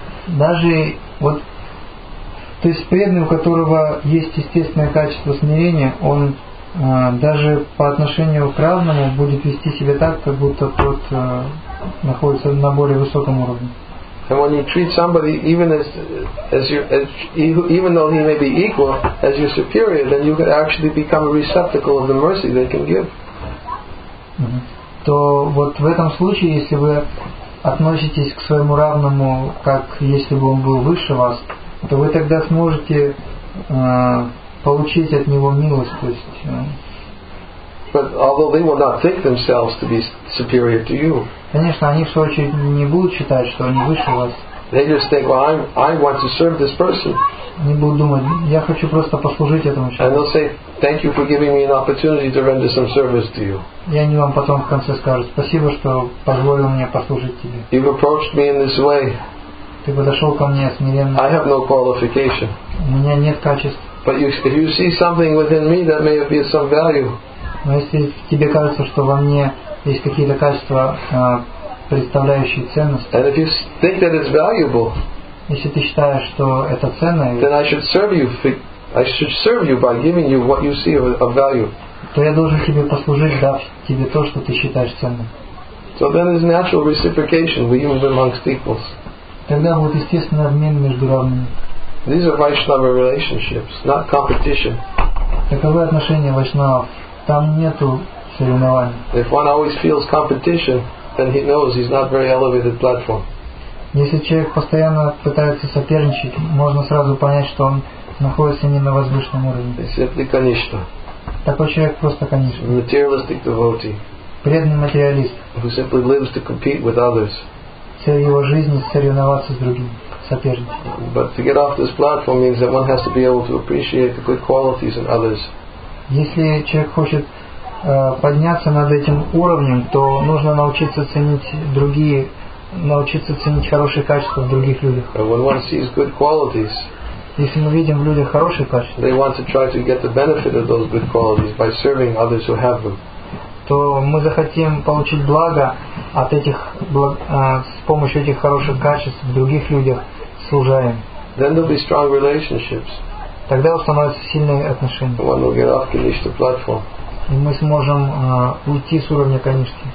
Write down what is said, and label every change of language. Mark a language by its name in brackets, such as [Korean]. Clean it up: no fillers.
[Russian] Даже вот, то есть преданный, у которого есть естественное качество смирения, он даже по отношению к равному будет вести себя так, как будто тот находится на более высоком уровне. [English] And when you treat somebody even though he may be equal as your superior, then you could actually become a receptacle of the mercy they can give. [Russian] То вот в этом случае, если вы относитесь к своему равному как если бы он был выше вас, то вы тогда сможете получить от него милость, то есть. [English] But although they will not think themselves to be superior to you. [Russian] Конечно, они в свою очередь не будут считать, что они выше вас. [English] They just think, well, I want to serve this person. [Russian] Они будут думать, я хочу просто послужить этому человеку. [English] And they'll say, thank you for giving me an opportunity to render some service to you. [Russian] И они вам потом в конце скажут, спасибо, что позволил мне послужить тебе. [English] You've approached me in this way. [Russian] Ты подошел ко мне смиренно. [English] I have no qualification. [Russian] У меня нет качеств. [English] But if you see something within me that may be of some value. [Russian] Но если тебе кажется, что во мне есть какие-то качества, представляющие ценность, [English] and if you think that it's valuable, [Russian] если ты считаешь, что это ценно, [English] then I should serve you by giving you what you see of value. [Russian] То я должен тебе послужить, дав тебе то, что ты считаешь ценным. [English] So then there's natural reciprocation even amongst equals. [Russian] Тогда вот естественный обмен между равными. [English] These are Vaishnava relationships, not competition. [Russian] Таковы отношения вайшнавов. Там нету соревнований. [English] If one always feels competition, then he knows he's not very elevated platform. [Russian] Если человек постоянно пытается соперничать, можно сразу понять, что он находится не на возвышенном уровне. Если конечно. Такой человек просто конечно. [English] Materialistic devotee. [Russian] Преданный материалист. [English] Who simply lives to compete with others. [Russian] Цель его жизни соревноваться с другими, соперничать. [English] But to get off this platform means that one has to be able to appreciate the good qualities in others. [Russian] Если человек хочет подняться над этим уровнем, то нужно научиться ценить хорошие качества в других людях. [English] When one sees good qualities, [Russian] если мы видим в людях хорошие качества, [English] they want to try to get the benefit of those good qualities by serving others who have them. [Russian] То мы захотим получить благо от этих с помощью этих хороших качеств в других людях служа им. [English] Then there'll be strong relationships. [Russian] Тогда установятся сильные отношения. И мы сможем уйти с уровня Канишки.